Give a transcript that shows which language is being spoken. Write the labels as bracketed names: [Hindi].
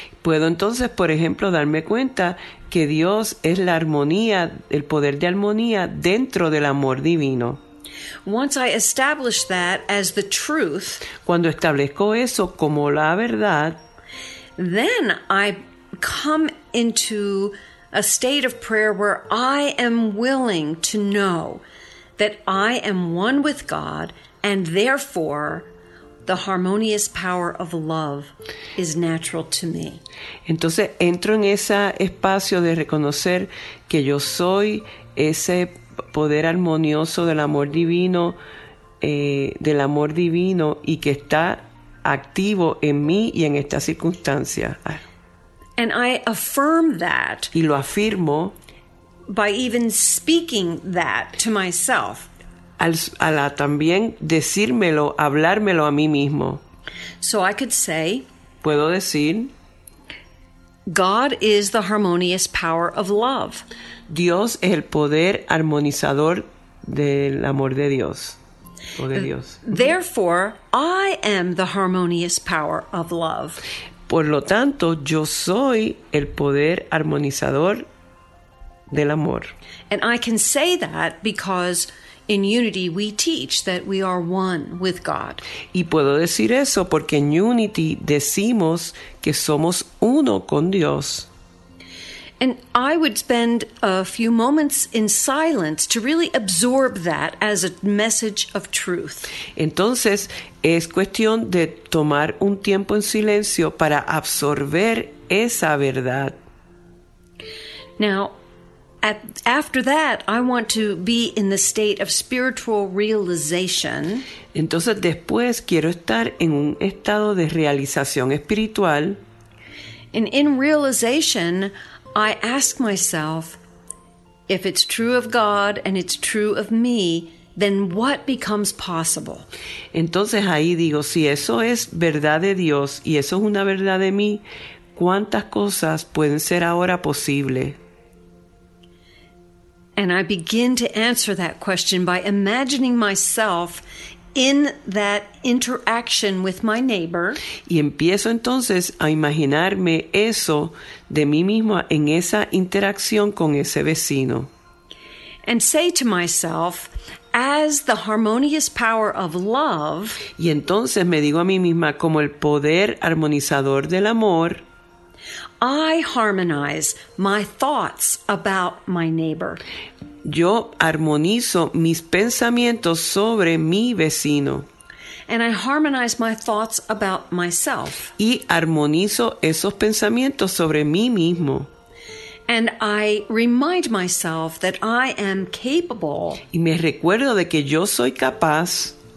[Spanish] Puedo entonces, por ejemplo, darme cuenta que Dios es la armonía, el poder de armonía dentro del amor divino. [English] Once I establish that as the truth, [Spanish] cuando establezco eso como la verdad, [English] then I come into a state of prayer where I am willing to know that I am one with God and therefore the harmonious power of love is natural to me. [Spanish] Entonces entro en ese espacio de reconocer que yo soy ese poder armonioso del amor divino y que está activo en mí y en esta circunstancia. [English] And I affirm that. [Spanish] Y lo afirmo [English] by even speaking that to myself. [Spanish] También decírmelo, hablármelo a mí mismo. [English] So I could say, [Spanish] puedo decir, [English] God is the harmonious power of love. [Spanish] Dios es el poder armonizador del amor de Dios. O de Dios. [English] Therefore, I am the harmonious power of love. [Spanish] Por lo tanto, yo soy el poder armonizador del amor. [English] And I can say that because in unity we teach that we are one with God. [Spanish] Y puedo decir eso porque en unity decimos que somos uno con Dios. [English] And I would spend a few moments in silence to really absorb that as a message of truth. [Spanish] Entonces, es cuestión de tomar un tiempo en silencio para absorber esa verdad. [English] Now, after that, I want to be in the state of spiritual realization. [Spanish] Entonces, después quiero estar en un estado de realización espiritual. [English] And in realization, I ask myself, if it's true of God and it's true of me, then what becomes possible? [Spanish] Entonces ahí digo, si eso es verdad de Dios y eso es una verdad de mí, ¿cuántas cosas pueden ser ahora posible? [English] And I begin to answer that question by imagining myself in that interaction with my neighbor. [Spanish] Y empiezo entonces a imaginarme eso de mí misma en esa interacción con ese vecino. [English] And say to myself, as the harmonious power of love. [Spanish] Y entonces me digo a mí misma, como el poder armonizador del amor, [English] I harmonize my thoughts about my neighbor. [Spanish] Yo armonizo mis pensamientos sobre mi vecino. [English] And I harmonize my thoughts about myself. [Spanish] Y armonizo esos pensamientos sobre mí mismo. [English] And I remind myself that I am capable. [Spanish] Y me recuerdo de que yo soy capaz